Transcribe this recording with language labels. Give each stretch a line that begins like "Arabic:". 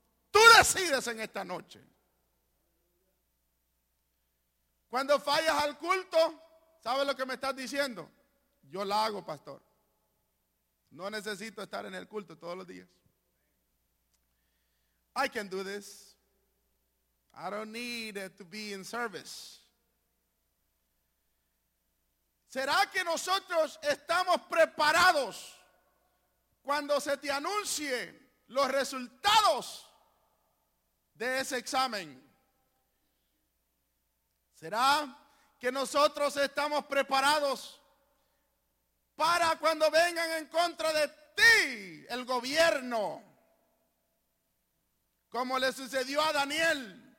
Spanish: Tú decides en esta noche. Cuando fallas al culto, ¿sabes lo que me estás diciendo? Yo la hago, pastor. No necesito estar en el culto todos los días.
English: I can do this. I don't need it to be in service.
Spanish: ¿Será que nosotros estamos preparados cuando se te anuncie los resultados de ese examen? ¿Será que nosotros estamos preparados para cuando vengan en contra de ti el gobierno, como le sucedió a Daniel?